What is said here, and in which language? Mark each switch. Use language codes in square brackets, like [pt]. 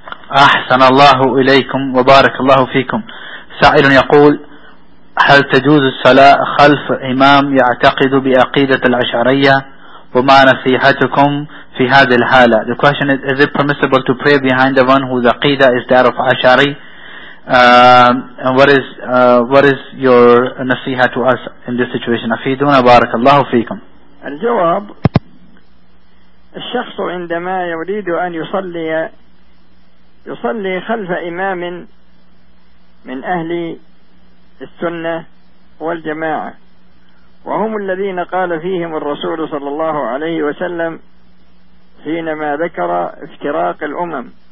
[ar] أحسن الله إليكم وبارك الله فيكم. سائل يقول: هل تجوز الصلاة خلف إمام يعتقد بعقيدة الأشعرية؟ وما نصيحتكم في هذه الحالة؟ [en] The question is: is it permissible to pray behind the one whose aqidah is that of Ashari? And what is your nasiha to us in this situation? [ar] أفيدونا بارك الله فيكم. الجواب: الشخص عندما يريد أن يصلي خلف إمام من أهل السنة والجماعة، وهم الذين قال فيهم الرسول صلى الله عليه وسلم حينما ذكر افتراق الأمم،